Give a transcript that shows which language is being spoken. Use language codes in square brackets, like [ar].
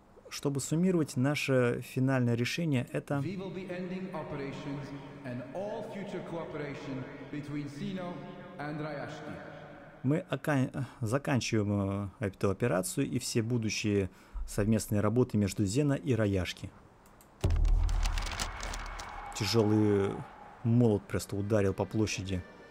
[ru] Чтобы суммировать, наше финальное решение — это... [en] We will be ending operations and all future cooperation between Sino and Raiashki. [ru] Мы заканчиваем эту операцию и все будущие совместные работы между Зена и Раяшки. Тяжелый молот просто ударил по площади.